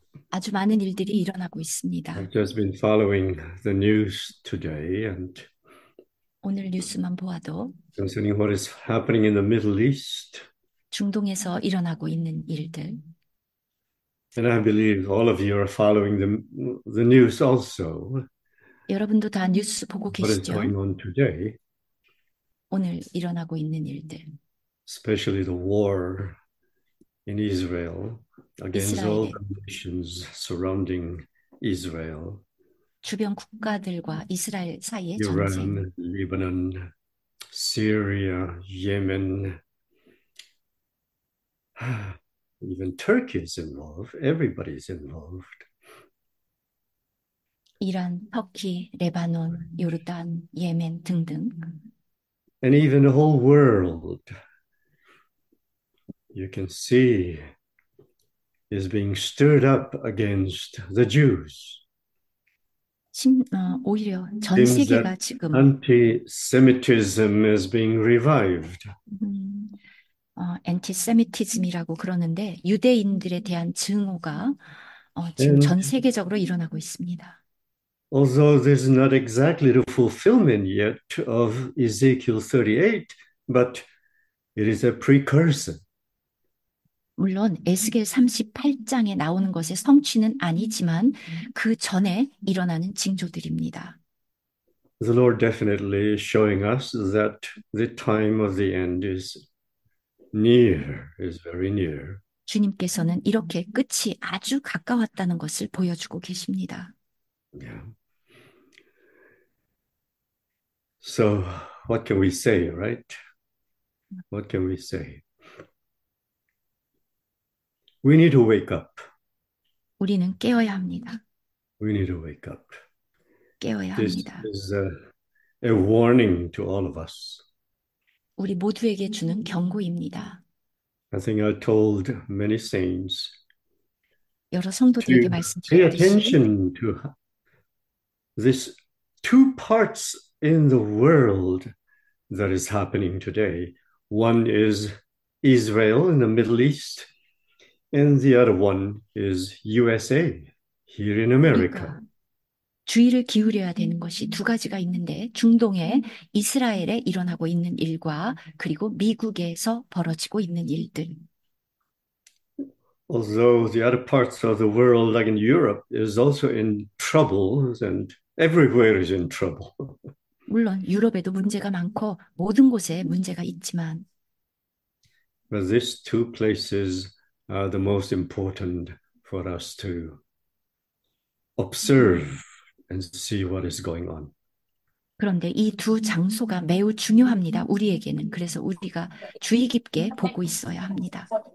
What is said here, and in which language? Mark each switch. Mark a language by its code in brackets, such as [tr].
[ko] 아주 많은 일들이 일어나고 있습니다. [en] just been following the news today, and [ko] 오늘 뉴스만 보아도 [en] concerning what is happening in the Middle East. [ko] 중동에서 일어나고 있는 일들. [en] And I believe all of you are following the news also. [ko] 여러분도 다 뉴스 보고 [en] What is [ko] 계시죠? [en] going on today? [ko] 오늘 일어나고 있는 일들. [en] Especially the war in Israel against all [ko] 이스라엘의 [en] nations surrounding Israel, [ko] 주변 국가들과 이스라엘 사이의 전쟁. [en] 이란, 리바논, 시리아, 예멘, even Turkey is involved, everybody is involved. [ko] 이란, 터키, 레바논, 요르단, 예멘 등등. [en] And even the whole world, you can see, is being stirred up against the Jews. [ko] 오히려 전 [en] Seems that [ko] 세계가 지금 [en] anti-Semitism is being revived. [ko] anti-Semitism이라고 그러는데 유대인들에 대한 증오가 지금 [en] And [ko] 전 세계적으로 일어나고 있습니다. [en] although this is not exactly the fulfillment yet of Ezekiel 38, but it is a precursor. [ko] 물론 에스겔 38장에 나오는 것의 성취는 아니지만 그 전에 일어나는 징조들입니다. [en] The Lord definitely is showing us that the time of the end is near, is very near. [ko] 주님께서는 이렇게 끝이 아주 가까웠다는 것을 보여주고 계십니다. [en] So, what can we say, right? What can we say? We need to wake up. [ko] 우리는 깨어야 합니다. [en] We need to wake up. [ko] 깨어야 [en] This [ko] 합니다. [en] is a warning to all of us. [ko] 우리 모두에게 주는 경고입니다. [en] I think I told many saints [ko] 여러 성도들에게 [en] to pay [ko] 말씀드렸듯이 [en] attention to this two parts in the world that is happening today. One is Israel in the Middle East, and the other one is USA here in America. [ko] 우리가 주의를 기울여야 되는 것이 두 가지가 있는데, 중동에 이스라엘에 일어나고 있는 일과 그리고 미국에서 벌어지고 있는 일들. [en] Although the other parts of the world, like in Europe, is also in trouble, and everywhere is in trouble. [ko] 물론 유럽에도 문제가 많고 모든 곳에 문제가 있지만, [en] But these two places are the most important for us to observe and see what is going on. [ko] 그런데 이두 장소가 매우 중요합니다. 우리에게는. 그래서 우리가 주의 깊게 보고 있어야 합니다.